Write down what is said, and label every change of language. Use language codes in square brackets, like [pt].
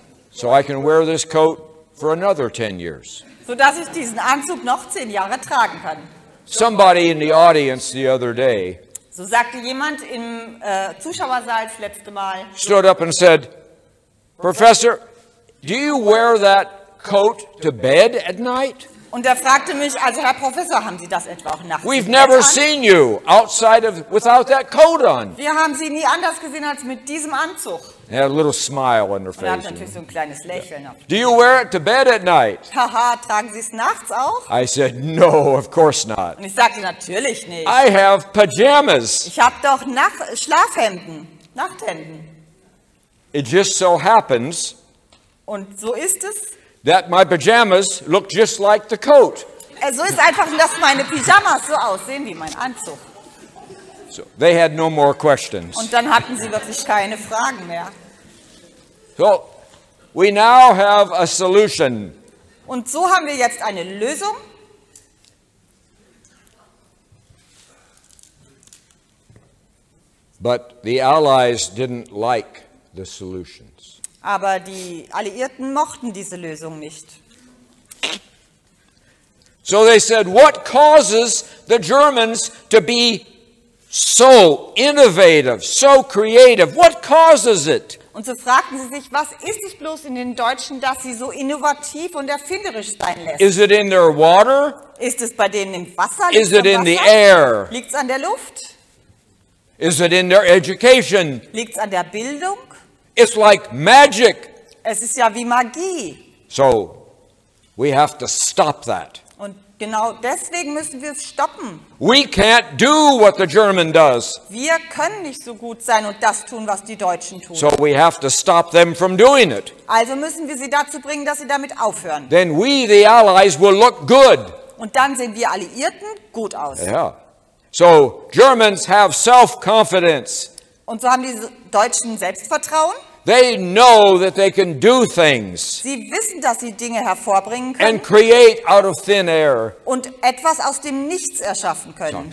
[en] So I can wear this coat for another 10 years. [de] So dass ich diesen Anzug noch 10 Jahre tragen kann. [en] Somebody in the audience the other day, [de] so sagte jemand im Zuschauersaal das letzte Mal, [en] stood up and said, Professor, do you wear that coat to bed at night? [de] Und er fragte mich, also Herr Professor, haben Sie das etwa auch nachts? [en] We've never seen you outside of without that coat on. [de] Wir haben Sie nie anders gesehen als mit diesem Anzug. [en] He had a little smile on her face. [de] Und er hat natürlich so ein kleines Lächeln. [en] Yeah. Do you wear it to bed at night? [de] Haha, tragen Sie es nachts auch? [en] I said, no, of course not. [de] Und ich sagte, natürlich nicht. [en] I have pajamas. [de] Ich habe doch Schlafhemden, Nachthemden. [en] It just so happens. [de] Und so ist es. [en] That my pajamas look just like the coat. [de] So ist einfach, dass meine Pyjamas so aussehen wie mein Anzug. [en] So they had no more questions. [de] Und dann hatten sie wirklich keine Fragen mehr. [en] So we now have a solution. [de] Und so haben wir jetzt eine Lösung. [en] But the Allies didn't like the solutions. [de] Aber die Alliierten mochten diese Lösung nicht. [en] So they said, what causes the Germans to be so innovative, so creative? What causes it? [de] Und so fragten sie sich, was ist es bloß in den Deutschen, dass sie so innovativ und erfinderisch sein lässt? [en] Is it in their water? [de] Ist es bei denen im Wasser? [en] Is it in the air? [de] Liegt's an der Luft? [en] Is it in their education? [de] Liegt's an der Bildung? [en] It's like magic. [de] Es ist ja wie Magie. [en] So we have to stop that. [de] Und genau deswegen müssen wir es stoppen. [en] We can't do what the German does. [de] Wir können nicht so gut sein und das tun, was die Deutschen tun. [en] So we have to stop them from doing it. [de] Also müssen wir sie dazu bringen, dass sie damit aufhören. [en] Then we, the Allies, will look good. [de] Und dann sehen wir Alliierten gut aus. [en] Yeah. So Germans have self-confidence. [de] Und so haben die Deutschen Selbstvertrauen. [en] They know that they can do things. [de] Sie wissen, dass sie Dinge hervorbringen können. [en] And create out of thin air. [de] Und etwas aus dem Nichts erschaffen können.